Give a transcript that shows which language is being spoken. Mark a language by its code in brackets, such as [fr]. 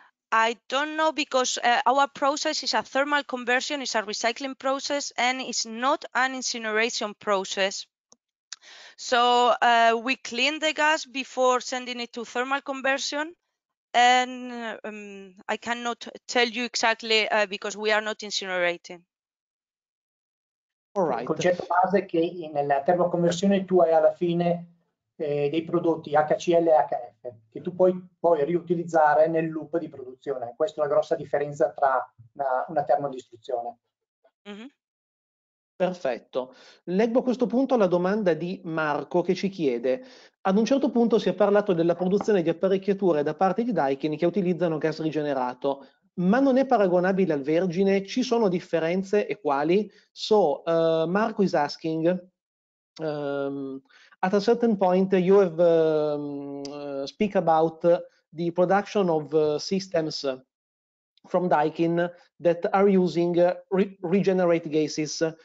[en] I don't know because our process is a thermal conversion, it's a recycling process, and it's not an incineration process. So we clean the gas before sending it to thermal conversion, and I cannot tell you exactly because we are not incinerating. All right. [it] Il concetto base è che nella termoconversione tu hai alla fine dei prodotti HCl e HF che tu puoi poi riutilizzare nel loop di produzione. Questa è la grossa differenza tra una termodistruzione. Perfetto. Leggo a questo punto la domanda di Marco che ci chiede: ad un certo punto si è parlato della produzione di apparecchiature da parte di Daikin che utilizzano gas rigenerato, ma non è paragonabile al vergine? Ci sono differenze e quali? [en] So, Marco is asking, at a certain point, you have speak about the production of systems from Daikin that are using regenerate gases.